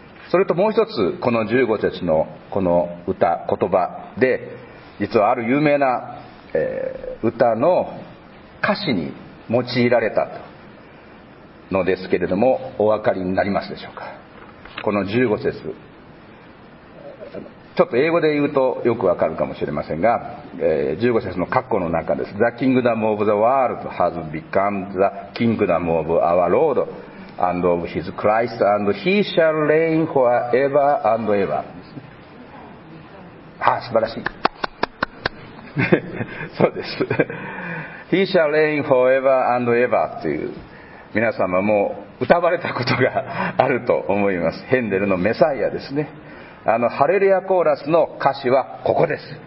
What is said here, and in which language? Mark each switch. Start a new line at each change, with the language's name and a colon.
Japanese: それともう一つ、この15節のこの歌言葉で、実はある有名な、歌の歌詞に用いられたのですけれども、お分かりになりますでしょうか。この15節、ちょっと英語で言うとよくわかるかもしれませんが、15節の括弧の中です。
English: The kingdom of the world has become the kingdom of our Lord and of his Christ and he shall reign forever and ever。
Japanese: 素晴らしいそうです
English: He shall reign forever and ever
Japanese: という皆様も歌われたことがあると思います。ヘンデルのメサイアですね。あのハレルヤコーラスの歌詞はここです。